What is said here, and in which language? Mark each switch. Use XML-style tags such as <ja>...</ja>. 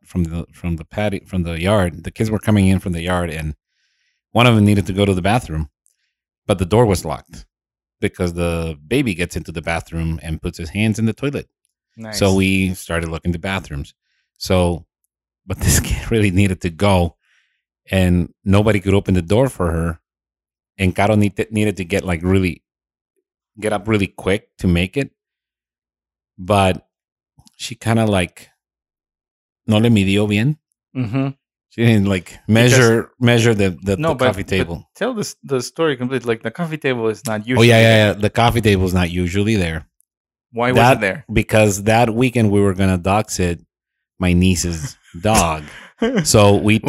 <en>The kids were coming in from the yard, and one of them needed to go to the bathroom, but the door was locked because the baby gets into the bathroom and puts his hands in the toilet. Nice. So we started looking the bathrooms. But this kid really needed to go, and nobody could open the door for her. And Caro needed to get up really quick to make it. But she kind of like,</en> <es>no le midió bien.</es> <en>Mm-hmm. She didn't like measure the coffee table. But tell the story completely. Like the coffee table is not usually there. Oh, yeah. The coffee table is not usually there. Why was it there? Because that weekend we were going to dox it, my niece's dog. So we took.</en>